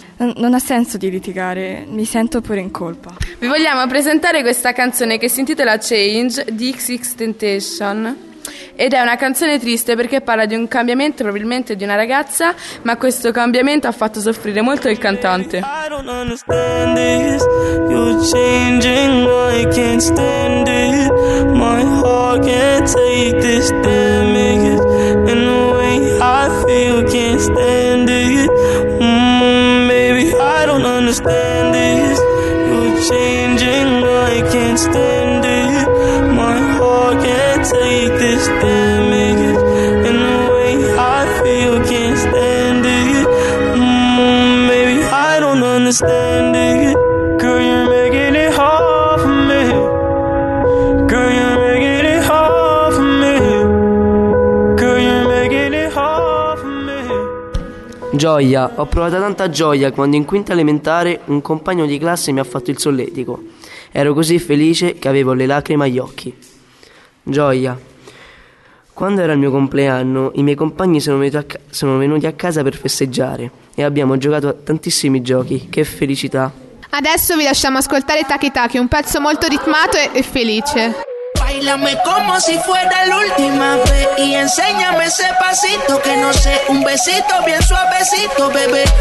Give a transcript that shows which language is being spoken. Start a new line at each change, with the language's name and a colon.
Italian: Non ha senso di litigare, mi sento pure in colpa. Vi vogliamo presentare questa canzone che si intitola Change di XXXTentacion. Ed è una canzone triste perché parla di un cambiamento, probabilmente di una ragazza, ma questo cambiamento ha fatto soffrire molto il cantante.
English: I don't understand this. You're changing, I can't stand it. My heart can't take this damage. In a way I feel can't stand it. Maybe I don't understand this. You're changing, I can't stand it. My heart can't take this damage. In the way I feel, can't stand it. Maybe I don't understand it. Girl, you're making it hard for me. Girl, you're making it hard for me. Girl, you're making it hard for me.
Italian: Gioia. Ho provato tanta gioia quando in quinta elementare un compagno di classe mi ha fatto il solletico. Ero così felice che avevo le lacrime agli occhi. Gioia. Quando era il mio compleanno, i miei compagni sono venuti a casa per festeggiare e abbiamo giocato a tantissimi giochi. Che felicità. Adesso vi lasciamo ascoltare Taki Taki, un pezzo molto ritmato e felice.
Spanish: Bailame como si fuera l'ultima vez y enséñame ese pasito que no sé, un besito bien suavecito, bebé.